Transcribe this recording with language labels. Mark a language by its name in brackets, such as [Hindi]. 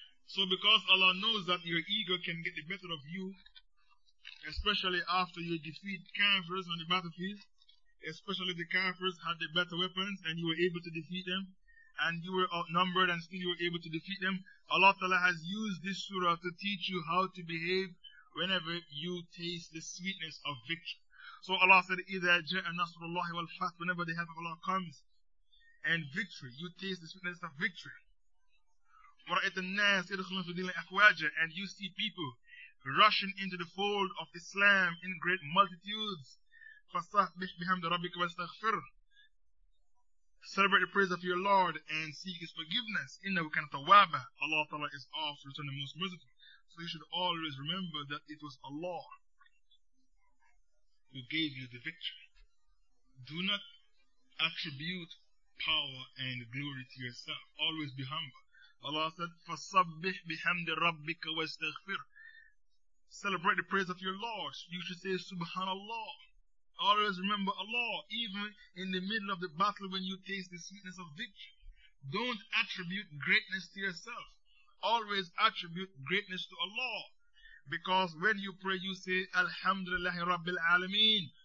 [English] So because Allah knows that your ego can get the better of you, especially after you defeat kafirs on the battlefield, especially the kafirs had the better weapons and you were able to defeat them, and you were outnumbered and still you were able to defeat them, Allah Ta'ala has used this surah to teach you how to behave whenever you taste the sweetness of victory. So Allah said, [Arabic] إِذَا جَاءَ نَصْرُ اللَّهِ وَالْفَتْحُ. [English] Whenever the help of Allah comes and victory, you taste the sweetness of victory. [Arabic] وَرَأَيْتَ النَّاسَ يَدْخُلُونَ فِي دِينِ الْأَفْوَاجَ. [English] And you see people rushing into the fold of Islam in great multitudes. [Arabic] فَسَبِّحْ بِحَمْدِ رَبِّكَ وَاسْتَغْفِرْ. [English] Celebrate the praise of your Lord and seek His forgiveness. [Arabic] إِنَّهُ كَانَ تَوَّابًا. [English] Allah Ta'ala is often returned the most merciful. So you should always remember that it was Allah who gave you the victory. Do not attribute power and glory to yourself. Always be humble. Allah said, [Arabic] فَصَبِّحْ بِحَمْدِ رَبِّكَ وَاسْتَغْفِرْ. [English] Celebrate the praise of your Lord. You should say, Subhanallah. Always remember Allah, even in the middle of the battle when you taste the sweetness of victory. Don't attribute greatness to yourself. always attribute greatness to Allah. Because when you pray, you say, Alhamdulillahi Rabbil Alameen.